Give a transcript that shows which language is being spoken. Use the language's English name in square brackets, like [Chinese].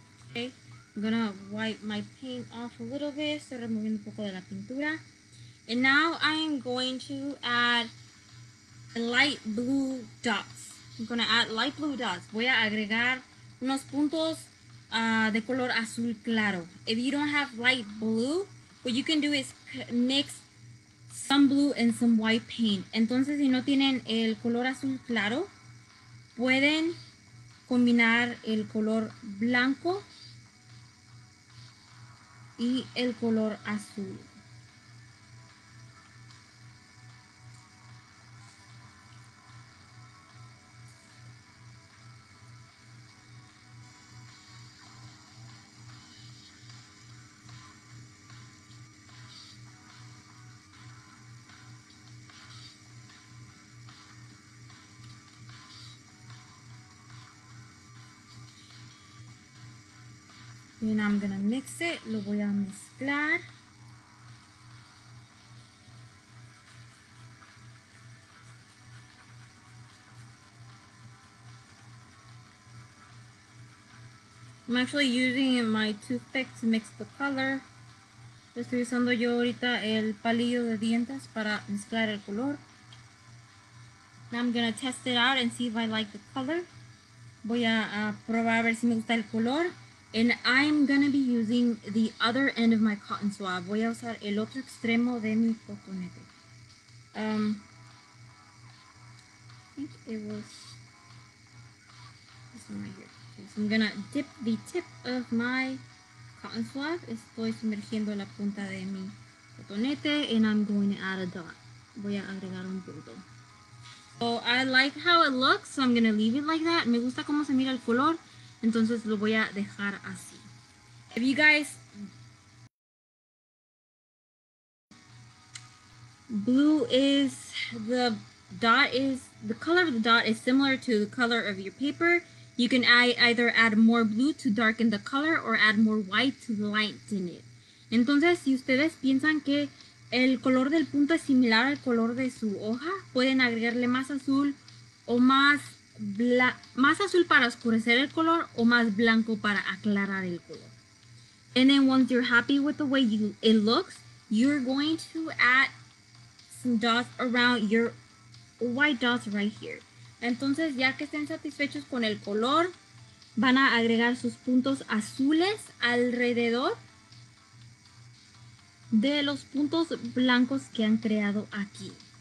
[English] Okay, I'm gonna wipe my paint off a little bit. [Spanish] Estoy removiendo un poco de la pintura. [English] And now I am going to add light blue dots. I'm gonna add light blue dots. [Spanish] Voy a agregar unos puntos de color azul claro. [English] If you don't have light blue, what you can do is mix some blue and some white paint. [Spanish] Entonces, si no tienen el color azul claro, pueden combinar el color blanco y el color azul. [English] And I'm gonna mix it, [Spanish] lo voy a mezclar. [English] I'm actually using my toothpick to mix the color. [Spanish] Estoy usando yo ahorita el palillo de dientes para mezclar el color. [English] Now I'm gonna test it out and see if I like the color. [Spanish] Voy a probar a ver si me gusta el color. [English] And I'm gonna be using the other end of my cotton swab. [Spanish] Voy a usar el otro extremo de mi cotonete. [English] I think it was this one right here. Okay, so I'm gonna dip the tip of my cotton swab. [Spanish] Estoy sumergiendo la punta de mi cotonete [English] and I'm going to add a dot. [Spanish] Voy a agregar un punto. [English] So I like how it looks, so I'm gonna leave it like that. [Spanish] Me gusta cómo se mira el color, entonces lo voy a dejar así. [English] If you guys blue is the dot is the color of the dot is similar to the color of your paper. You can either add more blue to darken the color or add more white to lighten it. [Spanish] Entonces, si ustedes piensan que el color del punto es similar al color de su hoja, pueden agregarle más azul o más azul para oscurecer el color o más blanco para aclarar el color. [English] And then once you're happy with the way it looks, you're going to add some dots around your white dots right here. [Spanish] Entonces, ya que estén satisfechos con el color, van a agregar sus puntos azules alrededor de los puntos blancos que han creado aquí.